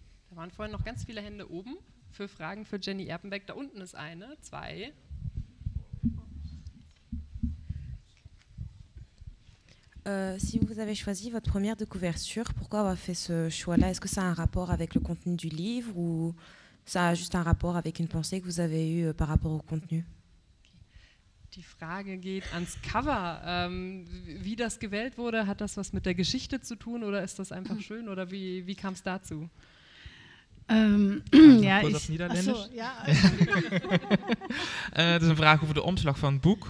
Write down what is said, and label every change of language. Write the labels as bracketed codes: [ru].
[de] Da waren vorhin noch ganz viele Hände oben für Fragen für Jenny Erpenbeck. Da unten ist eine, zwei. [fr] Si vous avez choisi votre première de couverture, pourquoi avoir fait ce choix-là? Est-ce que ça a un rapport avec le contenu du livre ou ça a juste un rapport avec une pensée que vous avez eue par rapport au contenu? [de] Die Frage geht ans Cover. Wie das gewählt wurde, hat das was mit der Geschichte zu tun oder ist das einfach schön oder wie kam es dazu? Ja, kurz auf Niederländisch. Ach so, ja. das ist eine Frage über den Umschlag von Buch.